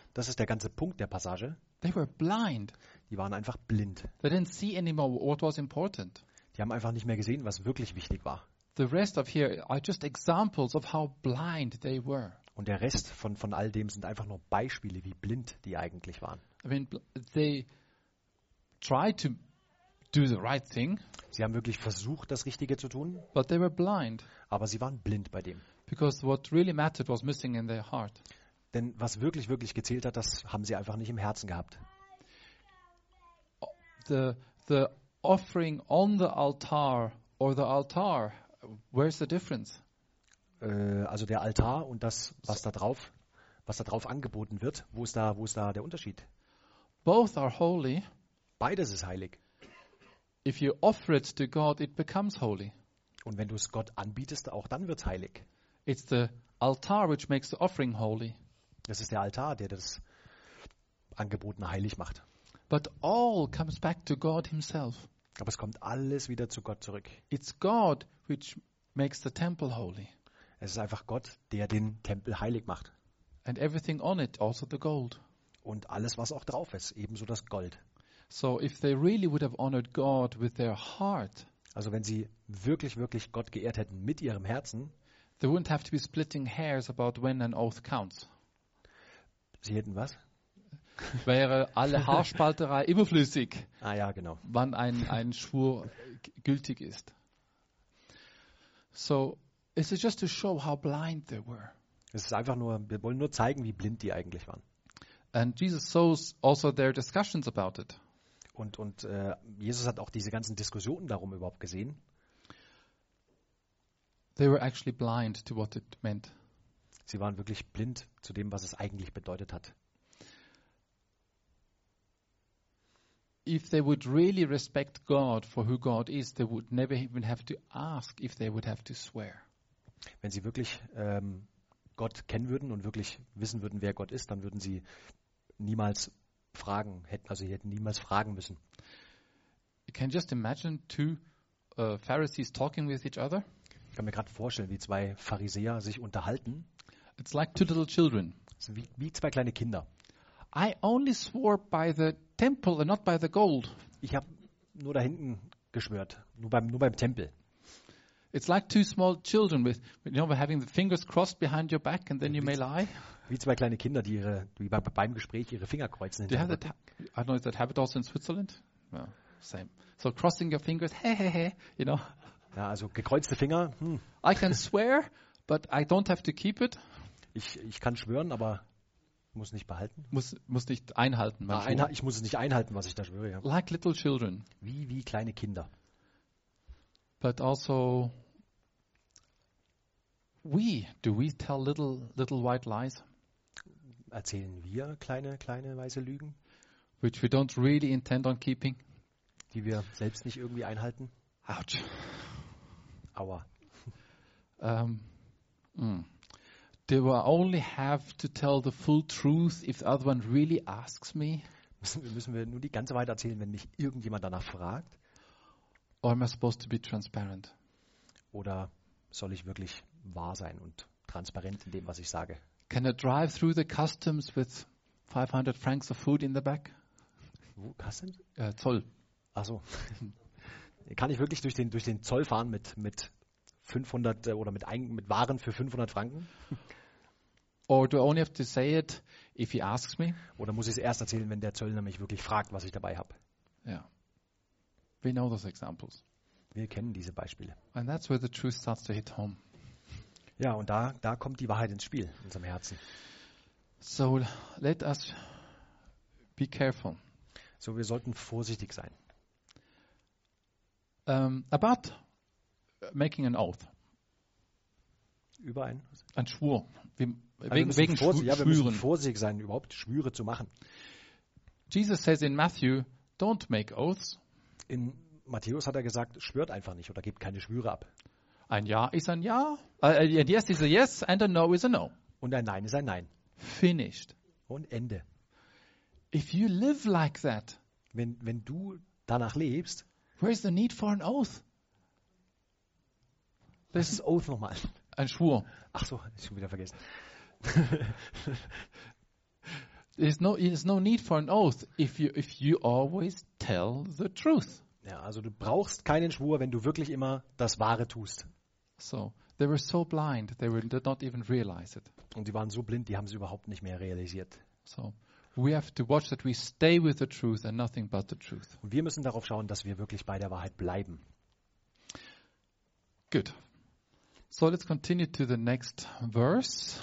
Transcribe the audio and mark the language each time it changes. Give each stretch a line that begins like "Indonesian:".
German: Das ist der ganze Punkt der Passage.
English: They were blind.
German: Die waren einfach blind.
English: They didn't see anymore what was important.
German: Die haben einfach nicht mehr gesehen, was wirklich wichtig war.
English: The rest of here are just examples of how blind they were.
German: Und der Rest von all dem sind einfach nur Beispiele, wie blind die eigentlich waren.
English: I mean, they tried to do the right thing.
German: Sie haben wirklich versucht, das Richtige zu tun.
English: But they were blind.
German: Aber sie waren blind bei dem.
English: Because what really mattered was missing in their heart.
German: Denn was wirklich, wirklich gezählt hat, das haben sie einfach nicht im Herzen gehabt.
English: The offering on the altar or the altar, where's the difference?
German: Also der Altar und das, was da drauf angeboten wird, wo ist da der Unterschied?
English: Both are holy.
German: Beides ist heilig.
English: If you offer it to God, it becomes holy.
German: Und wenn du es Gott anbietest, auch dann wird es heilig.
English: It's the altar which makes the offering holy.
German: Das ist der Altar, der das Angebotene heilig macht.
English: But all comes back to God himself.
German: Aber es kommt alles wieder zu Gott zurück.
English: It's God which makes the temple holy.
German: Es ist einfach Gott, der den Tempel heilig macht.
English: And everything on it, also the gold.
German: Und alles, was auch drauf ist, ebenso das Gold.
English: So if they really would have honored God with their heart.
German: Also wenn sie wirklich, wirklich Gott geehrt hätten mit ihrem Herzen,
English: they wouldn't have to be splitting hairs about when an oath counts.
German: Sie hätten was? Wäre alle Haarspalterei überflüssig. Ah ja, genau. Wann ein Schwur gültig ist.
English: So, is it just to show how blind they were?
German: Es ist einfach nur, wir wollen nur zeigen, wie blind die eigentlich waren.
English: And Jesus shows also their discussions about it.
German: Und Jesus hat auch diese ganzen Diskussionen darum überhaupt gesehen.
English: They were actually blind to what it meant.
German: Sie waren wirklich blind zu dem, was es eigentlich bedeutet hat.
English: If they would really respect God for who God is, they would never even have to ask if they would have to swear.
German: Wenn sie wirklich Gott kennen würden und wirklich wissen würden, wer Gott ist, dann würden sie niemals fragen, hätten niemals fragen müssen.
English: You can just imagine two Pharisees talking with each other.
German: Ich kann mir gerade vorstellen, wie zwei Pharisäer sich unterhalten.
English: It's like two little children.
German: So wie zwei kleine Kinder.
English: I only swore by the temple and not by the gold.
German: Ich habe nur da hinten geschwört, nur beim Tempel.
English: It's like two small children with, you know, having the fingers crossed behind your back and then you may lie.
German: Wie zwei kleine Kinder, die ihre, wie beim Gespräch ihre Finger kreuzen.
English: Do you have that? I don't know, is that habit also in Switzerland? No, same. So crossing your fingers, hey, you know.
German: Ja, also gekreuzte Finger. I can swear, but I don't have to keep it. Ich kann schwören, aber muss nicht behalten. Muss nicht einhalten. Ich muss es nicht einhalten, was ich da schwöre. Ja.
English: Like little children.
German: Wie kleine Kinder.
English: But also, do we tell little white lies?
German: Erzählen wir kleine weiße Lügen?
English: Which we don't really intend on keeping.
German: Die wir selbst nicht irgendwie einhalten.
English: Ouch.
German: Aua.
English: They will only have to tell the full truth if the other one really asks me.
German: Müssen wir nur die ganze Wahrheit erzählen, wenn mich irgendjemand danach fragt?
English: Or am I supposed to be transparent?
German: Oder soll ich wirklich wahr sein und transparent in dem, was ich sage?
English: Can I drive through the customs with 500 francs of food in the back?
German: Wo, customs? Zoll. Ach so. Kann ich wirklich durch den Zoll fahren mit 500 oder mit Waren für 500 Franken?
English: Or do I only have to say it if he asks me?
German: Oder muss ich es erst erzählen, wenn der Zöllner mich wirklich fragt, was ich dabei habe?
English: Ja. Yeah. We know those examples.
German: Wir kennen diese Beispiele.
English: And that's where the truth starts to hit home.
German: Ja, und da kommt die Wahrheit ins Spiel, in unserem Herzen.
English: So, let us be careful.
German: So, wir sollten vorsichtig sein.
English: About making an oath.
German: Über ein? Ein Schwur. Wir müssen vorsichtig sein, überhaupt Schwüre zu machen.
English: Jesus says in Matthew, don't make oaths.
German: In Matthäus hat er gesagt, schwört einfach nicht oder gebt keine Schwüre ab. Ein Ja ist ein Ja.
English: And yes is a yes and a no is a no.
German: Und ein Nein ist ein Nein.
English: Finished.
German: Und Ende.
English: If you live like that,
German: wenn du danach lebst,
English: where is the need for an oath?
German: Das ist Oath nochmal. Ein Schwur. Ach so, ich schon wieder vergessen.
English: There's no need for an oath if you always tell the truth.
German: Ja, also du brauchst keinen Schwur, wenn du wirklich immer das Wahre tust.
English: So, they were so blind, they did not even realize it.
German: Und die waren so blind, die haben es überhaupt nicht mehr realisiert.
English: So, we have to watch that we stay with the truth and nothing but the truth.
German: Und wir müssen darauf schauen, dass wir wirklich bei der Wahrheit bleiben.
English: Good. So let's continue to the next verse.